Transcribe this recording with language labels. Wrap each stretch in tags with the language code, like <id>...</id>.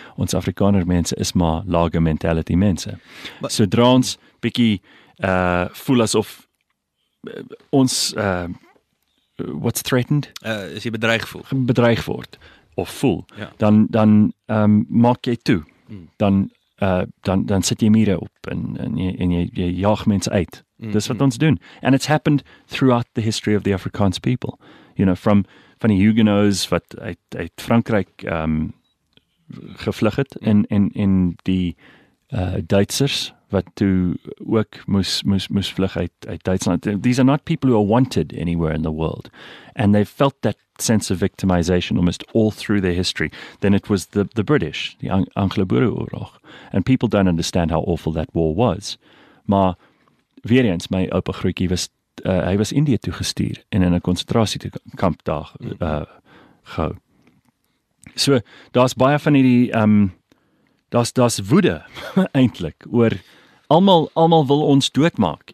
<af>Ons Afrikaner mense is maar lager mentality mense. Sodra ons bietjie voel asof ons</af> <en>what's threatened?</en> <af>As jy bedreig voel. Bedreig word of voel, ja. dan maak jy toe. Dan sit jy mure op en jy jaag mense uit. Dis wat ons doen.</af> <en>And it's happened throughout the history of the Afrikaans people. You know, from the</en> <af>Huguenots wat uit Frankryk gevlug het en die Duitsers wat toe ook moes vlug uit Duitsland.</af> <en>These are not people who are wanted anywhere in the world. And they felt that sense of victimization almost all through their history. Then it was the British, the Anglo-Boereoorlog. And people don't understand how awful that war was.</en> <af>Maar weer eens, my oupa Groetjie was, hy was Indië toe gestuur en in 'n konsentrasiekamp daar gehou. So, daar's baie van hierdie, daar's woede, eintlik, oor almal wil ons doodmaak.</af>